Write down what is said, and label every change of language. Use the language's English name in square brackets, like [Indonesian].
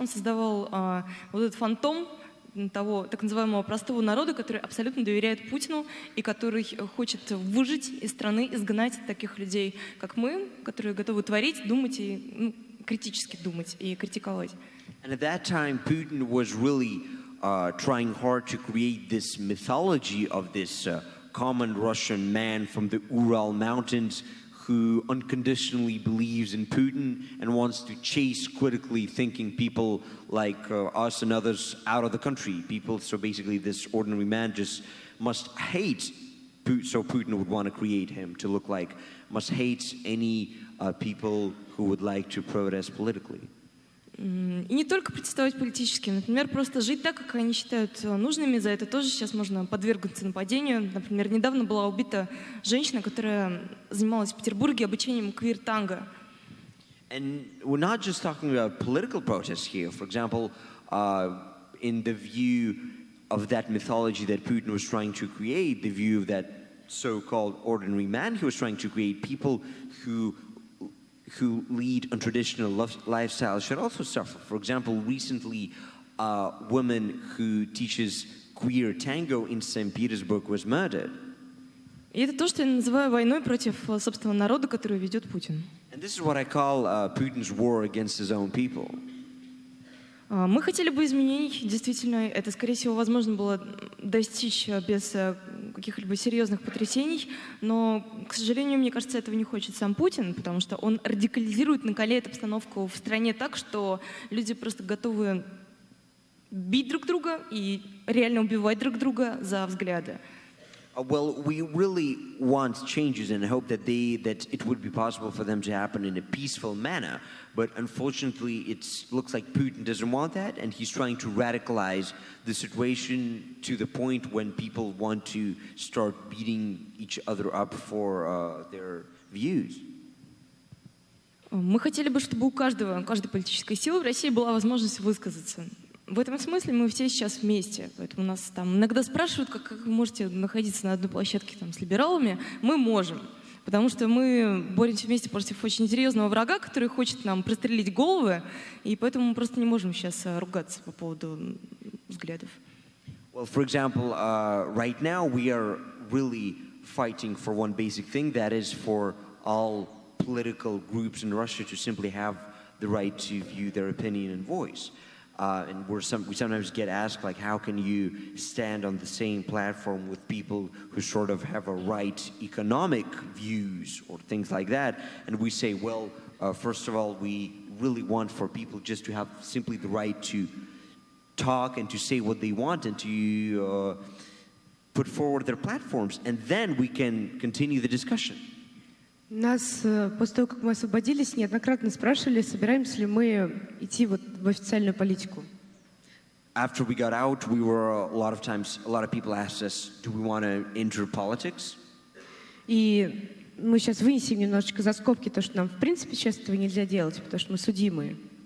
[Russian] Он создавал вот этот фантом того так называемого простого народа, который абсолютно доверяет Путину и который хочет выжить из страны, изгнать таких людей, как мы, которые готовы творить, думать и критически думать и критиковать. [English] And at that time, Putin was really trying hard to create this mythology of this common Russian man from the Ural Mountains who unconditionally believes in Putin and wants to chase critically thinking people like us and others out of the country. People, so basically this ordinary man just must hate Putin, so Putin would want to create him to look like, must hate any people who would like to protest politically. [Russian] И не только протестовать политически, например, просто жить так, как они считают нужными, за это тоже сейчас можно подвергнуться нападению. Например, недавно была убита женщина, которая занималась в Петербурге обучением квир-танго. [English] And we're not just talking about political protests here. For example, in the view of that mythology that Putin was trying to create, the view of that so-called ordinary man he was trying to create, people who lead untraditional lifestyles should also suffer. For example, recently, a woman who teaches queer tango in St. Petersburg was murdered. [Russian] И это то, что я называю войной против собственного народа, которую ведет Путин. [English] And this is what I call Putin's war against his own people. [Russian] Мы хотели бы изменений, действительно, это, скорее всего, возможно было достичь без каких-либо серьезных потрясений, но, к сожалению, мне кажется, этого не хочет сам Путин, потому что он радикализирует, накаляет обстановку в стране так, что люди просто готовы бить друг друга и реально убивать друг друга за взгляды. [English] Well, we really want changes and hope that that it would be possible for them to happen in a peaceful manner. But unfortunately, it looks like Putin doesn't want that, and he's trying to radicalize the situation to the point when people want to start beating each other up for their views. [Russian] Мы хотели бы, чтобы у каждого, каждой политической силы в России была возможность высказаться. В этом смысле мы все сейчас вместе. Поэтому нас там иногда спрашивают, как вы можете находиться на одной площадке там, с либералами. Мы можем, потому что мы боремся вместе против очень серьезного врага, который хочет нам прострелить головы, и поэтому мы просто не можем сейчас ругаться по поводу взглядов. [English] Well, for example, right now we are really fighting for one basic thing, that is for all political groups in Russia to simply have the right to view their opinion and voice. And we sometimes get asked, like, how can you stand on the same platform with people who sort of have a right economic views or things like that? And we say, well, first of all, we really want for people just to have simply the right to talk and to say what they want and to put forward their platforms. And then we can continue the discussion. [Russian] Нас, после того, как мы освободились, неоднократно спрашивали, собираемся ли мы идти вот в официальную политику. [English] After we got out, we were a lot of people asked us, do we want to enter politics? [Russian] И мы сейчас вынесем немножечко за скобки то, что нам, в принципе, сейчас этого нельзя делать, потому что мы судимые.